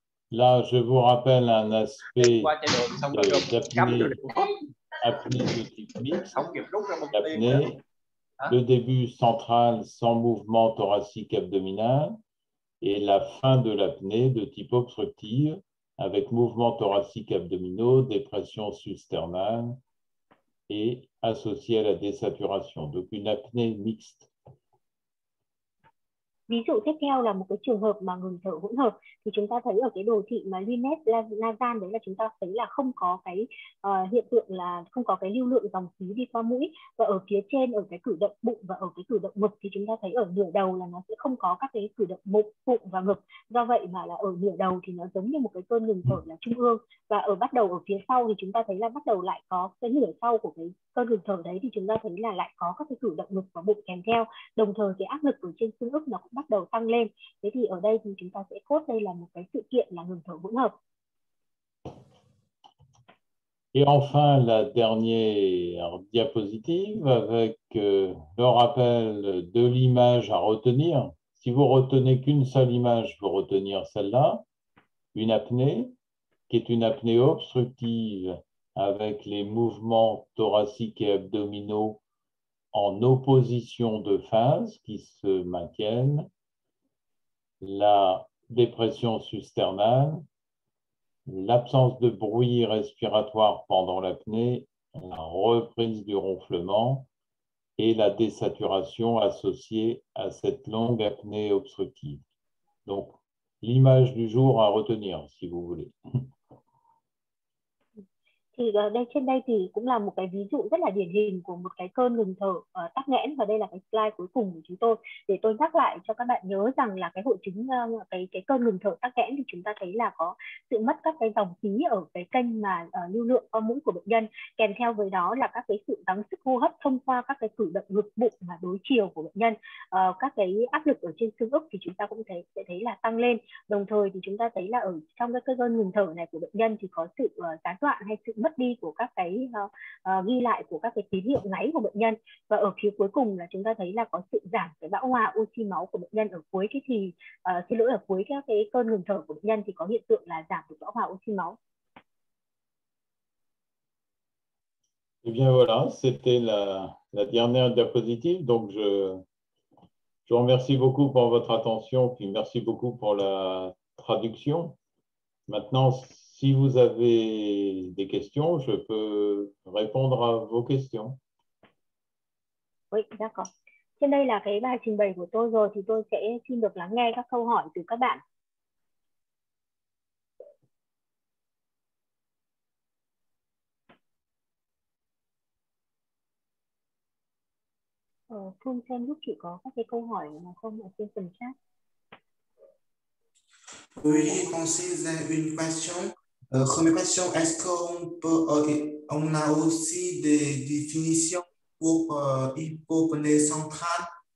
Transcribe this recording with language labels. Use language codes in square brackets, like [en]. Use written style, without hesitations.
[fr] Là, je vous rappelle un aspect d'apnée, le début central sans mouvement thoracique abdominal et la fin de l'apnée de type obstructive avec mouvement thoracique abdominaux, dépression susternale et associée à la désaturation. Donc, une apnée mixte. [vi] Ví dụ tiếp theo là một cái trường hợp mà ngừng thở hỗn hợp, thì chúng ta thấy ở cái đồ thị mà Linet Lazan đấy là chúng ta thấy là không có cái hiện tượng là không có cái lưu lượng dòng khí đi qua mũi, và ở phía trên ở cái cử động bụng và ở cái cử động ngực thì chúng ta thấy ở nửa đầu là nó sẽ không có các cái cử động bụng và ngực, do vậy mà là ở nửa đầu thì nó giống như một cái cơn ngừng thở là trung ương, và ở bắt đầu ở phía sau thì chúng ta thấy là bắt đầu lại có cái nửa sau của cái cơn ngừng thở đấy thì chúng ta thấy là lại có các cái cử động ngực và bụng kèm theo, đồng thời cái áp lực ở trên xương ức nó cũng bắt đầu tăng lên. Thế thì ở đây thì chúng ta sẽ code đây là một cái sự kiện là ngừng thở hỗn hợp. [fr] Et enfin la dernière diapositive avec le rappel de l'image à retenir. Si vous retenez qu'une seule image pour retenir celle-là, une apnée, qui est une apnée obstructive avec les mouvements thoraciques et abdominaux en opposition de phase qui se maintiennent, la dépression susternale, l'absence de bruit respiratoire pendant l'apnée, la reprise du ronflement et la désaturation associée à cette longue apnée obstructive. Donc, l'image du jour à retenir, si vous voulez. [vi] Thì đây, trên đây thì cũng là một cái ví dụ rất là điển hình của một cái cơn ngừng thở tắc nghẽn, và đây là cái slide cuối cùng của chúng tôi. Để tôi nhắc lại cho các bạn nhớ rằng là cái hội chứng cái cơn ngừng thở tắc nghẽn thì chúng ta thấy là có sự mất các cái dòng khí ở cái kênh mà lưu lượng qua mũi của bệnh nhân, kèm theo với đó là các cái sự gắng sức hô hấp thông qua các cái cử động ngực bụng và đối chiều của bệnh nhân, các cái áp lực ở trên xương ức thì chúng ta cũng thấy sẽ thấy là tăng lên. Đồng thời thì chúng ta thấy là ở trong cái cơn ngừng thở này của bệnh nhân thì có sự gián đoạn hay sự mất đi của các cái ghi lại của các cái tín hiệu ngáy của bệnh nhân, và ở phía cuối cùng là chúng ta thấy là có sự giảm cái bão hòa oxy máu của bệnh nhân ở cuối cái thì xin lỗi, ở cuối các cái cơn ngừng thở của bệnh nhân thì có hiện tượng là giảm được bão hòa oxy máu. [fr] Et bien voilà, c'était la dernière diapositive, donc je remercie beaucoup pour votre attention, puis merci beaucoup pour la traduction. Maintenant, si vous avez des questions, je peux répondre à vos questions. Oui, d'accord. [vi] Trên đây là cái bài trình bày của tôi rồi, thì tôi sẽ xin được lắng nghe các câu hỏi từ các bạn. Phương xem giúp chị có các cái câu hỏi nào không ở trên phần chat. [fr] Oui, Francis, une question. Première question, est-ce qu'on peut, on a aussi des définitions pour hypopnée centrale?